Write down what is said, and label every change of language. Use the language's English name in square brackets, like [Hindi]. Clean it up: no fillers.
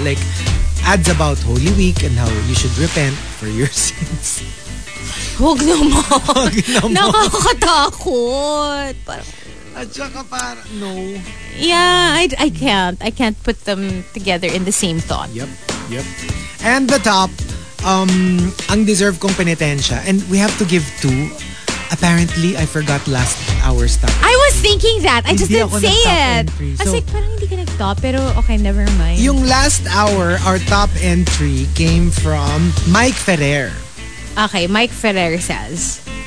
[English] Like, ads about Holy Week and how you should repent for your sins. [Filipino] Huwag naman. Nakakatakot. At saka parang, no. [English] Yeah, I can't. I can't put them together in the same thought. Yep. And the top, [Filipino] ang deserve kong penitensya. [English] And we have to give 2. Apparently, I forgot last hour's topic. I was thinking that. I just didn't say it. I was like, [Filipino] parang hindi ka nag-top, pero [English] okay, never mind. Yung last hour, our top entry came from Mike Ferrer. Okay, Mike Ferrer says,